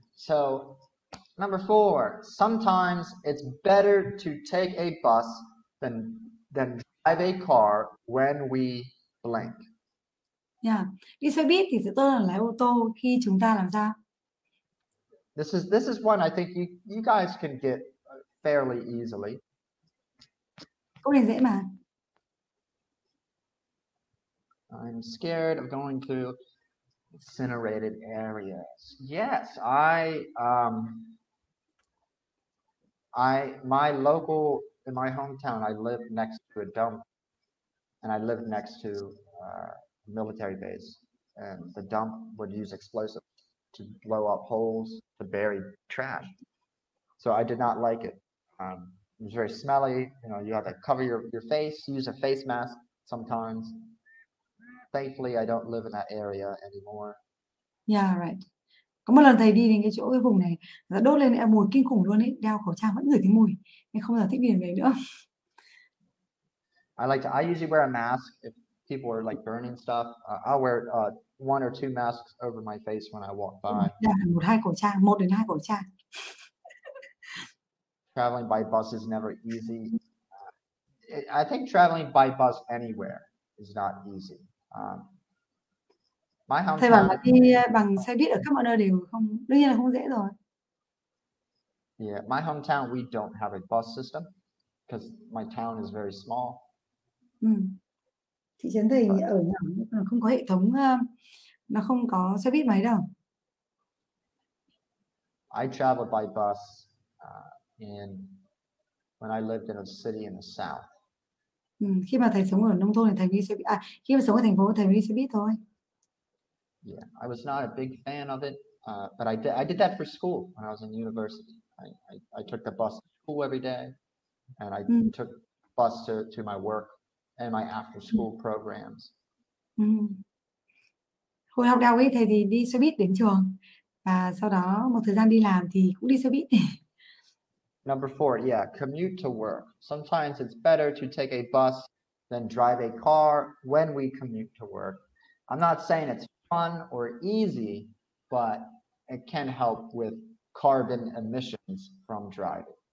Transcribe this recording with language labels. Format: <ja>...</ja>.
<en>So number four, sometimes it's better to take a bus than drive a car when we blank.</en> <vi>Yeah, đi xe buýt thì sẽ tốt hơn lái ô tô khi chúng ta làm sao?</vi> <en>This is one I think you guys can get fairly easily.</en> <vi>Câu này dễ mà.</vi> <en>I'm scared of going to incinerated areas. Yes, I my local in my hometown, I live next to a dump, and I live next to a military base, and the dump would use explosives to blow up holes to bury trash. So I did not like it. It was very smelly, you know, you have to cover your face, use a face mask sometimes. Thankfully, I don't live in that area anymore. Yeah, right.</en> <vi>Có một lần thầy đi đến cái chỗ cái vùng này, nó đốt lên cái mùi kinh khủng luôn ấy, đeo khẩu trang vẫn ngửi thấy mùi, nên không giờ thích đi đến đấy nữa.</vi> <en>I usually wear a mask if people are like burning stuff. I'll wear one or two masks over my face when I walk by.</en> <vi>Yeah, một đến hai khẩu trang.</vi> <en>Traveling by bus is never easy. I think traveling by bus anywhere is not easy. My hometown.</en> <vi>Thầy bảo là đi bằng xe buýt ở khắp mọi nơi đều không, đương nhiên là không dễ rồi.</vi> <en>Yeah, my hometown we don't have a bus system because my town is very small.</en> <vi>Thị trấn thầy ở nhỏ, không có hệ thống, nó không có xe buýt máy đâu.</vi> <en>I traveled by bus and when I lived in a city in the south.</en> <vi>Khi mà thầy sống ở nông thôn thì thầy đi xe buýt. Khi mà sống ở thành phố thì thầy đi xe buýt thôi.</vi> <en>Yeah, I was not a big fan of it, but I did that for school when I was in university. I took the bus to school every day, and I took bus to my work and my after school programs.</en> <vi>Hồi học đại học ấy thầy thì đi xe buýt đến trường và sau đó một thời gian đi làm thì cũng đi xe buýt.</vi> <en>Number four, yeah, commute to work. Sometimes it's better to take a bus than drive a car when we commute to work. I'm not saying it's fun or easy, but it can help with carbon emissions from driving.</en>